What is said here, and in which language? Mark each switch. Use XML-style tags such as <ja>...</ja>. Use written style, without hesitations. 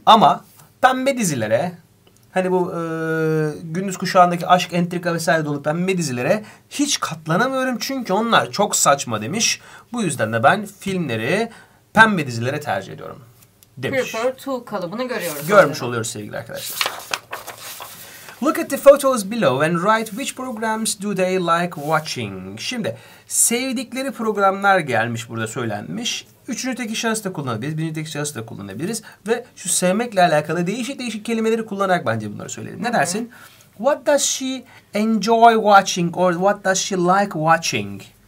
<tr>Ama pembe dizilere, hani bu gündüz kuşağındaki aşk, entrika vesaire dolu pembe dizilere hiç katlanamıyorum. Çünkü onlar çok saçma demiş. Bu yüzden de ben filmleri pembe dizilere tercih ediyorum demiş.</tr> <en>Prefer to</en> <tr>kalıbını görüyoruz. Görmüş oluyoruz sevgili arkadaşlar.</tr> <en>Look at the photos below and write which programs do they like watching.</en> <tr>Şimdi sevdikleri programlar gelmiş burada söylenmiş. Üçüncü tek şahıs da kullanabiliriz, birinci tek şahıs da kullanabiliriz. Ve şu sevmekle alakalı değişik değişik kelimeleri kullanarak bence bunları söyleyelim. Ne dersin?</tr> <en>What does she enjoy watching or what does she like watching?</en>